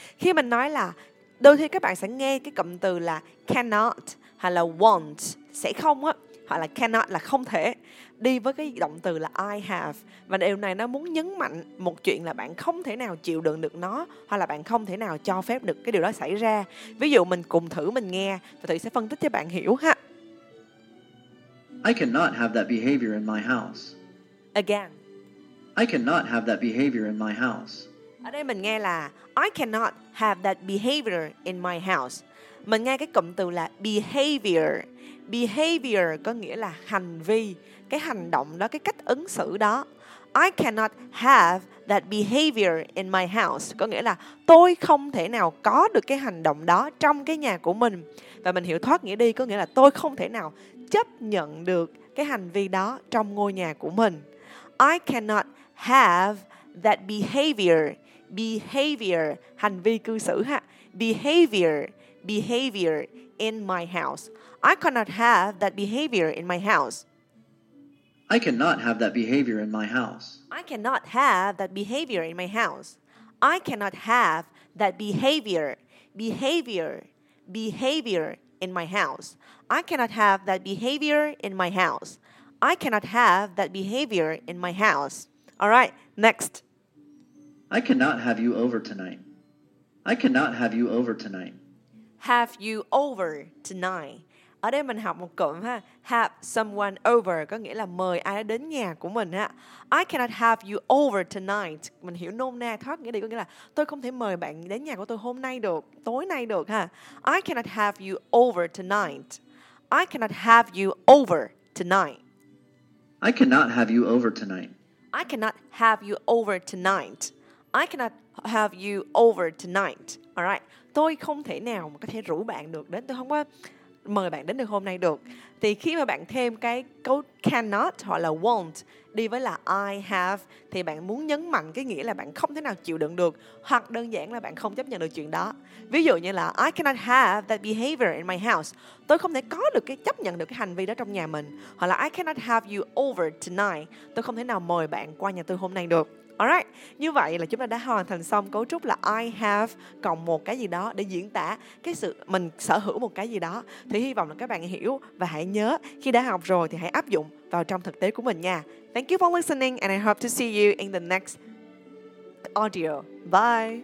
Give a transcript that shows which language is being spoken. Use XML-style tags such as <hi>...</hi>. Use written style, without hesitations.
<vi>Khi mình nói là đôi khi các bạn sẽ nghe cái cụm từ là cannot hay là won't sẽ không á, hoặc là cannot là không thể đi với cái động từ là I have. Và điều này nó muốn nhấn mạnh một chuyện là bạn không thể nào chịu đựng được nó, hoặc là bạn không thể nào cho phép được cái điều đó xảy ra. Ví dụ mình cùng thử mình nghe và Thủy sẽ phân tích cho bạn hiểu ha.</vi> <en>I cannot have that behavior in my house. Again. I cannot have that behavior in my house.</en> <vi>Ở đây mình nghe là</vi> <en>I cannot have that behavior in my house.</en> <vi>Mình nghe cái cụm từ là behavior. Behavior có nghĩa là hành vi, cái hành động đó, cái cách ứng xử đó.</vi> <en>I cannot have that behavior in my house</en> <vi>có nghĩa là tôi không thể nào có được cái hành động đó trong cái nhà của mình. Và mình hiểu thoát nghĩa đi có nghĩa là tôi không thể nào chấp nhận được cái hành vi đó trong ngôi nhà của mình.</vi> <en>I cannot have that behavior.</en> <vi>Behavior, hành vi cư xử ha.</vi> <en>Behavior, behavior in my house. I cannot have that behavior in my house. I cannot have that behavior in my house. I cannot have that behavior in my house. I cannot have that behavior. Behavior, behavior in my house. I cannot have that behavior in my house. I cannot have that behavior in my house. All right, next. I cannot have you over tonight. I cannot have you over tonight. Have you over tonight.</en> <vi>Ở đây mình học một cụm ha, have someone over, có nghĩa là mời ai đó đến nhà của mình ha.</vi> <en>I cannot have you over tonight.</en> <vi>Mình hiểu nôm na thoát nghĩa đi, có nghĩa là tôi không thể mời bạn đến nhà của tôi hôm nay được, tối nay được ha.</vi> <en>I cannot have you over tonight. I cannot have you over tonight. I cannot have you over tonight. I cannot have you over tonight. I cannot have you over tonight. All right.</en> <vi>Tôi không thể nào mà có thể rủ bạn được đến, tôi không có mời bạn đến được hôm nay được. Thì khi mà bạn thêm cái câu cannot hoặc là won't đi với là I have thì bạn muốn nhấn mạnh cái nghĩa là bạn không thể nào chịu đựng được, hoặc đơn giản là bạn không chấp nhận được chuyện đó. Ví dụ như là</vi> <en>I cannot have that behavior in my house.</en> <vi>Tôi không thể có được cái chấp nhận được cái hành vi đó trong nhà mình. Hoặc là</vi> <en>I cannot have you over tonight.</en> <vi>Tôi không thể nào mời bạn qua nhà tôi hôm nay được. Alright, như vậy là chúng ta đã hoàn thành xong cấu trúc là I have cộng một cái gì đó để diễn tả cái sự mình sở hữu một cái gì đó. Thì hy vọng là các bạn hiểu và hãy nhớ khi đã học rồi thì hãy áp dụng vào trong thực tế của mình nha.</vi> <en>Thank you for listening and I hope to see you in the next audio. Bye!</en>